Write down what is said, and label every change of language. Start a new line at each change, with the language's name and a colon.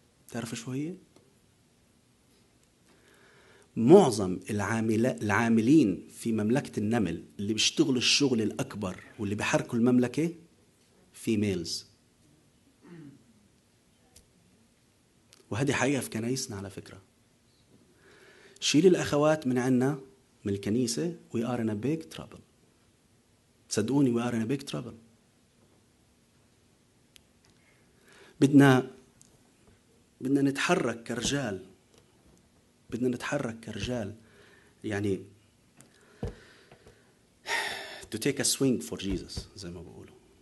Arabic: تعرف شو هي؟ معظم العاملين في مملكة النمل اللي بيشتغلوا الشغل الأكبر واللي بيحركوا المملكة فيميلز، وهذه حقيقة في كنايسنا على فكرة. شيل الأخوات من عنا من الكنيسة،
English: we are in a big trouble، صدقوني we are in a big trouble.
Arabic: بدنا نتحرك كرجال، بدنا نتحرك كرجال، يعني
English: to take a swing for Jesus
Arabic: زي ما بقوله.